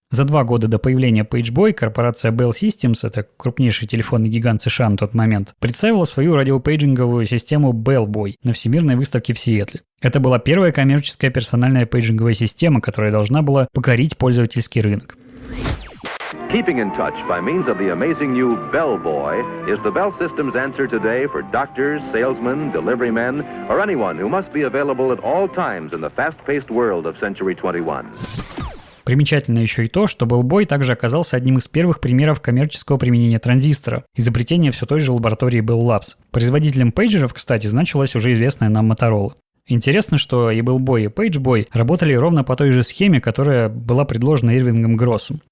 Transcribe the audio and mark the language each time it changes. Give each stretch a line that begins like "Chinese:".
Russian: За 2 года до появления PageBoy корпорация Bell Systems, это крупнейший телефонный гигант США на тот момент, представила свою радиопейджинговую систему BellBoy на всемирной выставке в Сиэтле. Это была первая коммерческая персональная пейджинговая система, которая должна была покорить пользовательский рынок.
English: Keeping in touch by means of the amazing new BellBoy is the Bell System's answer today for doctors, salesmen, delivery men, or anyone who must be available at all times in the fast-paced world of Century 21.
Russian: Примечательно еще и то, что Bellboy также оказался одним из первых примеров коммерческого применения транзистора, изобретения все той же лаборатории Bell Labs. Производителем пейджеров, кстати, значилась уже известная нам Motorola. Интересно, что и Bellboy, и PageBoy работали ровно по той же схеме, которая была предложена Ирвингом Гроссом.